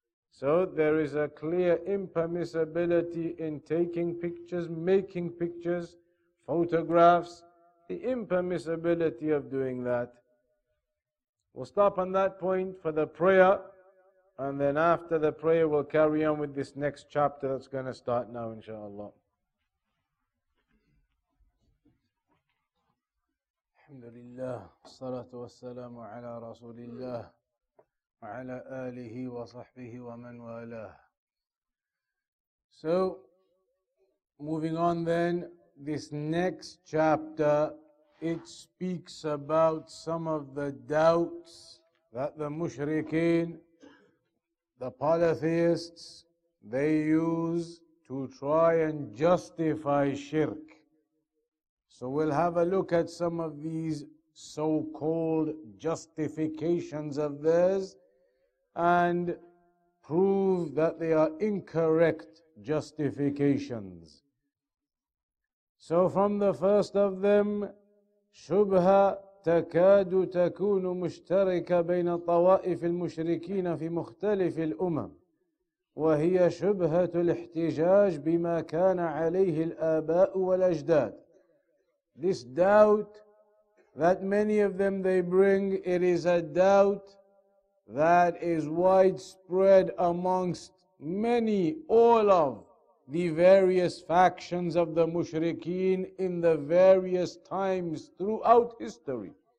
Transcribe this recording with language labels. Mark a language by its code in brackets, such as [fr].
[en] So there is a clear impermissibility in taking pictures, making pictures, photographs, the impermissibility of doing that. We'll stop on that point for the prayer, and then after the prayer, we'll carry on with this next chapter that's going to start now, inshallah. [ar] الحمد لله والصلاة والسلام على رسول الله وعلى آله وصحبه ومن والاه. [en] So moving on then, this next chapter, it speaks about some of the doubts that the mushrikeen, the polytheists, they use to try and justify shirk. So we'll have a look at some of these so-called justifications of theirs and prove that they are incorrect justifications. So from the first of them, شبهة [ar] تكاد تكون مشتركة بين طوائف المشركين في مختلف الأمم، وهي شبهة الاحتجاج بما كان عليه الآباء والأجداد. [en] This doubt that many of them they bring, it is a doubt that is widespread amongst many, all of the various factions of the mushrikeen in the various times throughout history.